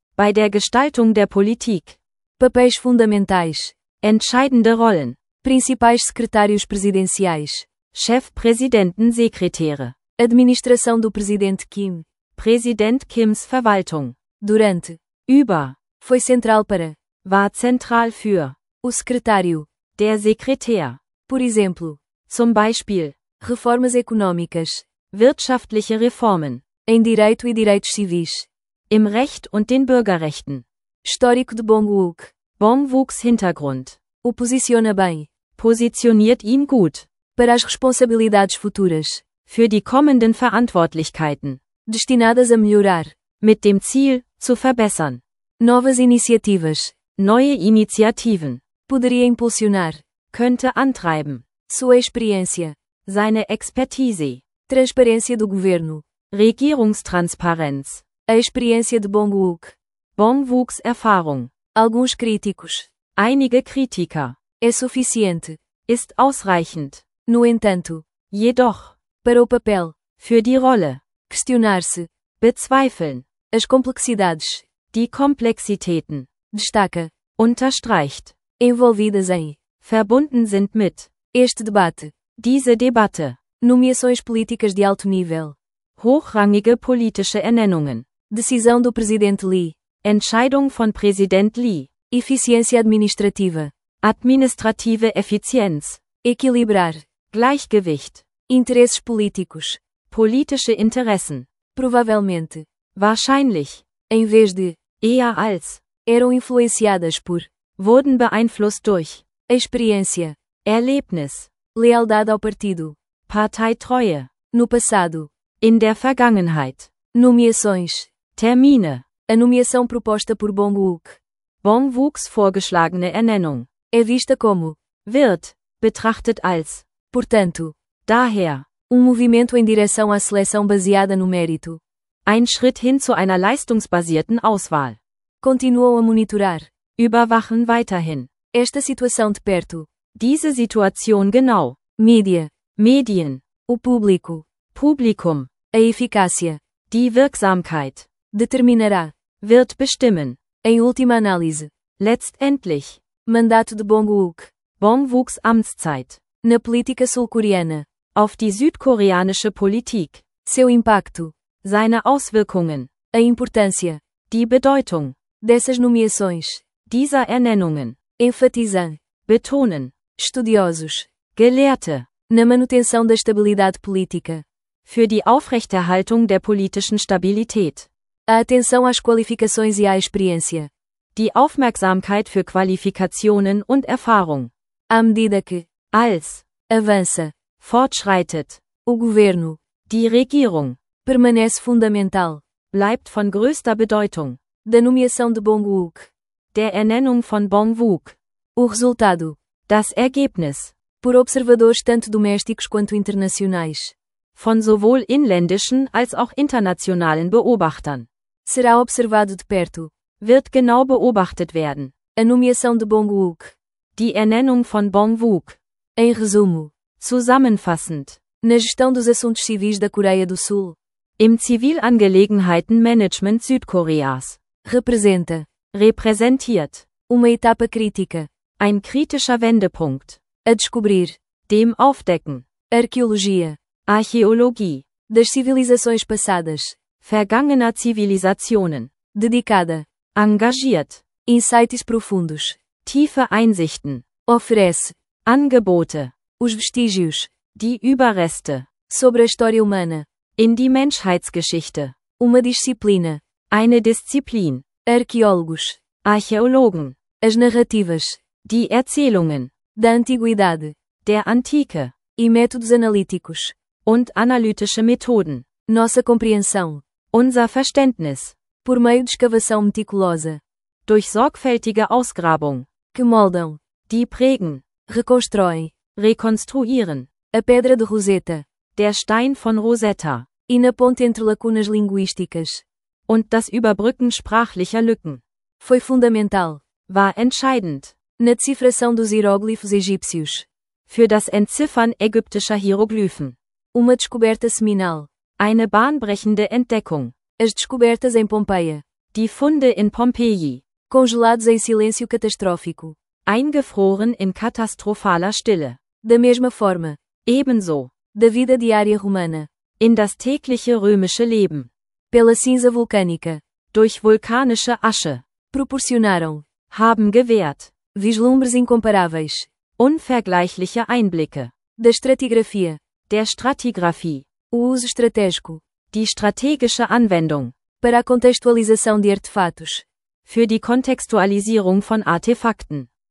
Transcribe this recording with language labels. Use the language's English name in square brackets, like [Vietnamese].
[German] Bei der Gestaltung der Politik. [Portuguese] Papéis fundamentais. [German] Entscheidende Rollen. [Portuguese] Principais secretários presidenciais. [German] Chefpräsidentensekretäre. [Portuguese] Administração do presidente Kim. [German] Präsident Kims Verwaltung. [Portuguese] Durante. [German] Über. [Portuguese] Foi central para. [German] War central für. [Portuguese] O secretário. [German] Der Sekretär. [Portuguese] Por exemplo. [German] Zum Beispiel. [Portuguese] Reformas econômicas. [German] Wirtschaftliche Reformen. [Portuguese] Em direito e direitos civis. [German] Im Recht und den Bürgerrechten. [Portuguese] Histórico de Bong Wook. [German] Bong Wooks Hintergrund. [Portuguese] O posiciona bem. [German] Positioniert ihn gut. [Portuguese] Para as responsabilidades futuras. [German] Für die kommenden Verantwortlichkeiten. [Portuguese] Destinadas a melhorar. [German] Mit dem Ziel, zu verbessern. [Portuguese] Novas iniciativas. [German] Neue Initiativen. [Portuguese] Poderia impulsionar. [German] Könnte antreiben. [Portuguese] Sua experiência. [German] Seine Expertise. [Portuguese] Transparência do governo. [German] Regierungstransparenz. [Portuguese] A experiência de Bong Wook. [German] Bong Wooks Erfahrung. [Portuguese] Alguns críticos. [German] Einige Kritiker. [Portuguese] É suficiente. [German] Ist ausreichend. [Portuguese] No entanto. [German] Jedoch. [Portuguese] Para o papel. [German] Für die Rolle. [Portuguese] Questionar-se. [German] Bezweifeln. [Portuguese] As complexidades. [German] Die Komplexitäten. [Portuguese] Destaca. [German] Unterstreicht. [Portuguese] Envolvidas em. [German] Verbunden sind mit. [Portuguese] Este debate. [German] Diese Debatte. [Portuguese] Nomeações políticas de alto nível. [German] Hochrangige politische Ernennungen. [Portuguese] Decisão do Presidente Li. [German] Entscheidung von Präsident Li. [Portuguese] Eficiência administrativa. [German] Administrative Effizienz. [Portuguese] Equilibrar. [German] Gleichgewicht. [Portuguese] Interesses políticos. [German] Politische Interessen. [Portuguese] Provavelmente. [German] Wahrscheinlich. [Portuguese] Em vez de. [German] Eher als. [Portuguese] eram influenciadas por, [German] wurden beeinflusst durch, [Portuguese] experiência, [German] Erlebnis, [Portuguese] lealdade ao partido, [German] Parteitreue, [Portuguese] no passado, [German] in der Vergangenheit, [Portuguese] nomeações, [German] Termine, [Portuguese] a nomeação proposta por Bong Wook, [German] Bong Wooks vorgeschlagene Ernennung, [Portuguese] é vista como, [German] wird, betrachtet als, [Portuguese] portanto, [German] daher, [Portuguese] movimento em direção à seleção baseada no mérito. [German] Ein Schritt hin zu einer leistungsbasierten Auswahl. [Portuguese] Continuou a monitorar. [German] Überwachen weiterhin. [Portuguese] Esta situação de perto. [German] Diese Situation genau. [Portuguese] Media. [German] Medien. [Portuguese] O público. [German] Publikum. [Portuguese] A eficácia. [German] Die Wirksamkeit. [Portuguese] Determinará. [German] Wird bestimmen. [Portuguese] Em última análise. [German] Letztendlich. [Portuguese] Mandato de Bong Wook. [German] Bong Wooks Amtszeit. [Portuguese] Na política sul-coreana. [German] Auf die südkoreanische Politik. [Portuguese] Seu impacto. [German] Seine Auswirkungen. [Portuguese] A importância. [German] Die Bedeutung. [Portuguese] Dessas nomeações. [German] Dieser Ernennungen. [Portuguese] Enfatizar. [German] Betonen. [Portuguese] Estudiosos. [German] Gelehrte. [Portuguese] Na manutenção da estabilidade política. [German] Für die Aufrechterhaltung der politischen Stabilität. [Portuguese] A atenção às qualificações e à experiência. [German] Die Aufmerksamkeit für Qualifikationen und Erfahrung. [Portuguese] À medida que. [German] Als. [Portuguese] Avança. [German] Fortschreitet. [Portuguese] O governo. [German] Die Regierung. [Portuguese] Permanece fundamental. [German] Bleibt von größter Bedeutung. [Portuguese] Da nomeação de Bong Wook. [German] Der Ernennung von Bong Wook. [Portuguese] O resultado. [German] Das Ergebnis. [Portuguese] Por observadores tanto domésticos quanto internacionais. [German] Von sowohl inländischen als auch internationalen Beobachtern. [Portuguese] Será observado de perto. [German] Wird genau beobachtet werden. [Portuguese] A nomeação de Bong Wook. [German] Die Ernennung von Bong Wook. [Portuguese] Em resumo. [German] Zusammenfassend. [Portuguese] Na gestão dos assuntos civis da Coreia do Sul. [German] Im Zivilangelegenheitenmanagement Südkoreas. [Portuguese] Representa. [German] Repräsentiert. [Portuguese] Uma etapa crítica. [German] Ein kritischer Wendepunkt. [Portuguese] A descobrir. [German] Dem aufdecken. [Portuguese] Arqueologia. [German] Archäologie. [Portuguese] Das civilizações passadas. [German] Vergangener Zivilisationen. [Portuguese] Dedicada. [German] Engagiert. [Portuguese] Insights profundos. [German] Tiefe Einsichten. [Portuguese] Oferece. [German] Angebote. [Portuguese] Os vestígios. [German] Die Überreste. [Portuguese] Sobre a história humana. [German] In die Menschheitsgeschichte. [Portuguese] Uma disciplina. [German] Eine Disziplin. [Portuguese] Arqueólogos. [German] Archäologen. [Portuguese] As narrativas. [German] Die Erzählungen. [Portuguese] Da antiguidade. [German] Der Antike. [Portuguese] E métodos analíticos. [German] Und analytische Methoden. [Portuguese] Nossa compreensão. [German] Unser Verständnis. [Portuguese] Por meio de escavação meticulosa. [German] Durch sorgfältige Ausgrabung. [Portuguese] Que moldam. [German] Die prägen. [Portuguese] Reconstroem. [German] Rekonstruieren. [Portuguese] A pedra de Rosetta. [German] Der Stein von Rosetta. [Portuguese] E na ponte entre lacunas linguísticas. [German] Und das Überbrücken sprachlicher Lücken. [Portuguese] Foi fundamental. [German] War entscheidend. [Portuguese] Na decifração dos hieróglifos egípcios. [German] Für das Entziffern ägyptischer Hieroglyphen. [Portuguese] Uma descoberta seminal. [German] Eine bahnbrechende Entdeckung. [Portuguese] As descobertas em Pompeia. [German] Die Funde in Pompeji. [Portuguese] Congelados em silêncio catastrófico. [German] Eingefroren in katastrophaler Stille. [Portuguese] Da mesma forma. [German] Ebenso. [Portuguese] Da vida diária romana. [German] In das tägliche römische Leben. [Portuguese] Pela cinza vulcânica. [German] Durch vulkanische Asche. [Portuguese] Proporcionaram. [German] Haben gewährt. [Portuguese] Vislumbres incomparáveis. [German] Unvergleichliche Einblicke. [Portuguese] Da estratigrafia. [German] Der Stratigraphie. [Portuguese] O uso estratégico. [German] Die strategische Anwendung. [Portuguese] Para a contextualização de artefatos. [German] Für die Kontextualisierung von Artefakten.